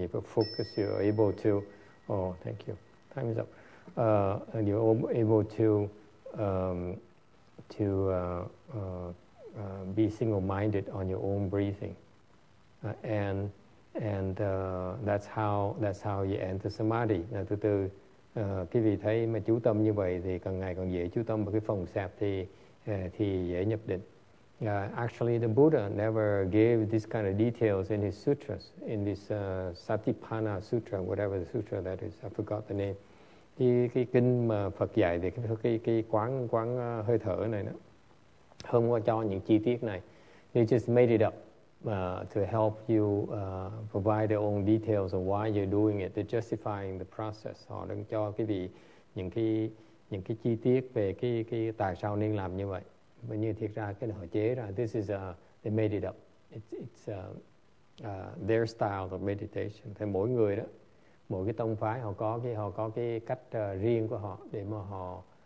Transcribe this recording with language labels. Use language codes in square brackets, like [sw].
[en] If you focus, you're able to. Oh, thank you. Time is up. And you're able to be single-minded on your own breathing, and that's how you enter samadhi. [vi] Now, từ từ, quý vị thấy mà chú tâm như vậy thì càng ngày càng dễ chú tâm vào cái phòng sạp thì dễ nhập định. [en] Actually, the Buddha never gave this kind of details in his sutras, in this Satipanna Sutra, whatever the sutra that is, I forgot the name. [vi] Cái kinh mà Phật dạy về cái quán hơi thở này đó, không có cho những chi tiết này. [en] He just made it up to help you provide their own details of why you're doing it, to justifying the process. [vi] Họ đang cho quý vị những cái chi tiết về cái tại sao nên làm như vậy. Mà như thiệt ra cái họ chế ra, [en] this is they made it up. It's their style of meditation. [vi] Thì mỗi người đó, mỗi cái tông phái họ có cái cách riêng của họ để mà họ